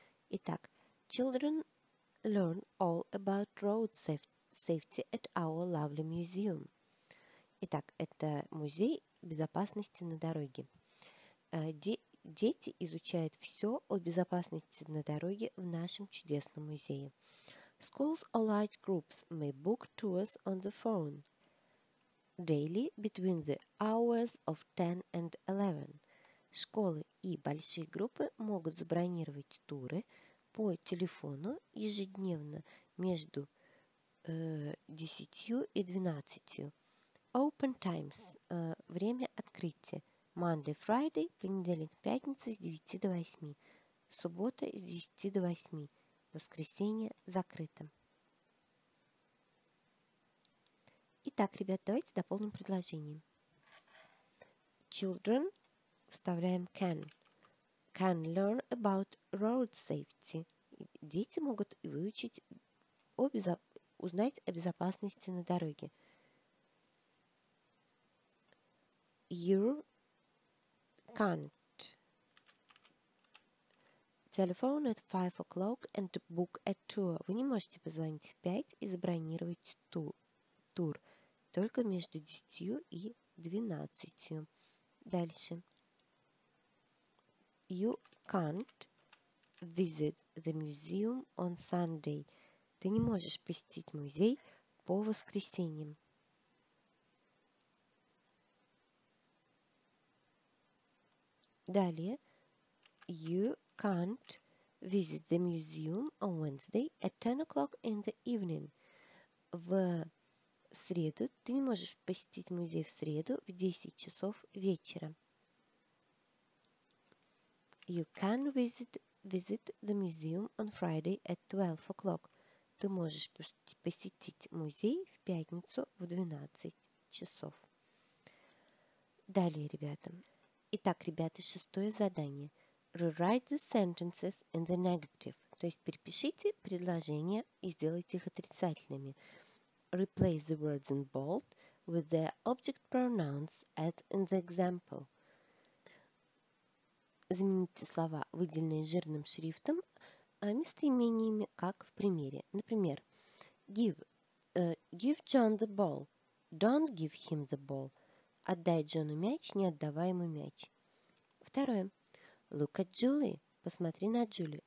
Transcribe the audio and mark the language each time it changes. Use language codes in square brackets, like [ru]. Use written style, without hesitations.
[ru] Итак, [en] children learn all about road safety at our lovely museum. [ru] Итак, это музей безопасности на дороге. Дети изучают все о безопасности на дороге в нашем чудесном музее. [en] Schools or large groups may book tours on the phone daily between the hours of 10 and 11. [ru] Школы и большие группы могут забронировать туры по телефону ежедневно между 10 и 12. [en] Open times [ru] – время открытия. [en] Monday, Friday [ru] – понедельник, пятница с 9 до 8. Суббота с 10 до 8. Воскресенье закрыто. Итак, ребят, давайте дополним предложение. [en] Children, [ru] вставляем [en] can. Can learn about road safety. [ru] Дети могут выучить, узнать о безопасности на дороге. [en] You can't. telephone at 5 o'clock and to book a tour. [ru] Вы не можете позвонить в 5 и забронировать тур. Только между 10 и 12. Дальше. [en] You can't visit the museum on Sunday. [ru] Ты не можешь посетить музей по воскресеньям. Далее. [en] You can't visit the museum on Wednesday at 10 o'clock in the evening. [ru] В среду ты не можешь посетить музей в среду в 10 часов вечера. [en] You can visit the museum on Friday at 12 o'clock. [ru] Ты можешь посетить музей в пятницу в 12 часов. Далее, ребята. Итак, ребята, шестое задание. [en] Rewrite the sentences in the negative. [ru] То есть перепишите предложения и сделайте их отрицательными. [en] Replace the words in bold with the object pronouns as in the example. [ru] Замените слова, выделенные жирным шрифтом, местоимениями, как в примере. Например, [en] give John the ball. Don't give him the ball. [ru] Отдай Джону мяч, не отдавай ему мяч. Второе. [en] Look at Julie. [ru] Посмотри на Джули.